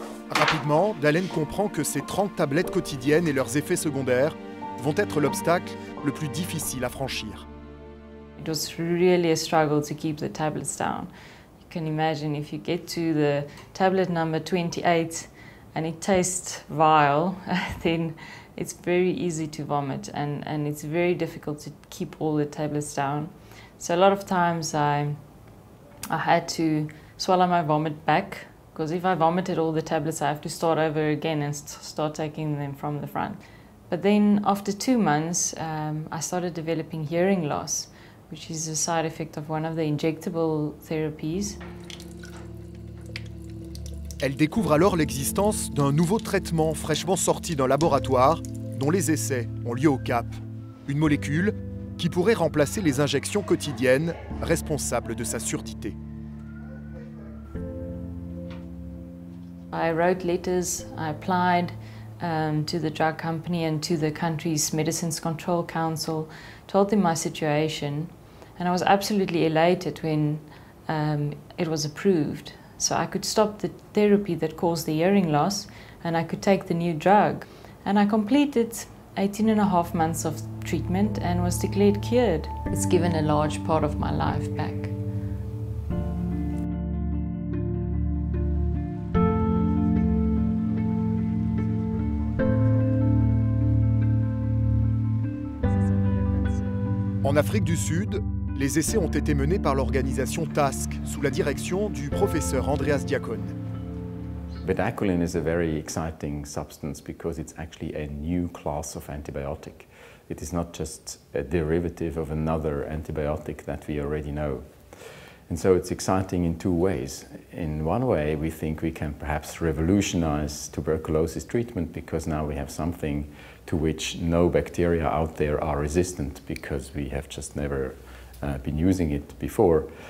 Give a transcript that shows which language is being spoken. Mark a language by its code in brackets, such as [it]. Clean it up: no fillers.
[fr] Rapidement, Dalen comprend que ces 30 tablettes quotidiennes et leurs effets secondaires vont être l'obstacle le plus difficile à franchir. [en] It was really a struggle to keep the tablets down. You can imagine if you get to the tablet number 28 and it tastes vile, then it's very easy to vomit and it's very difficult to keep all the tablets down. So a lot of times I had to swallow my vomit back, because if I vomited all the tablets, I have to start over again and start taking them from the front. But then after 2 months, I started developing hearing loss, which is a side effect of one of the injectable therapies. [fr] Elle découvre alors l'existence d'un nouveau traitement fraîchement sorti d'un laboratoire dont les essais ont lieu au Cap. Une molécule qui pourrait remplacer les injections quotidiennes responsables de sa surdité. [en] I wrote letters, I applied to the drug company and to the country's Medicines Control Council, told them my situation, and I was absolutely elated when it was approved. So I could stop the therapy that caused the hearing loss and I could take the new drug. And I completed 18 and a half months of treatment and was declared cured. It's given a large part of my life back. [fr] En Afrique du Sud, les essais ont été menés par l'organisation TASC sous la direction du professeur Andreas Diakon. [en] Bedaquiline is a very exciting substance because it's actually a new class of antibiotic. It is not just a derivative of another antibiotic that we already know. And so it's exciting in two ways. In one way, we think we can perhaps revolutionize tuberculosis treatment because now we have something to which no bacteria out there are resistant because we have just never been using it before.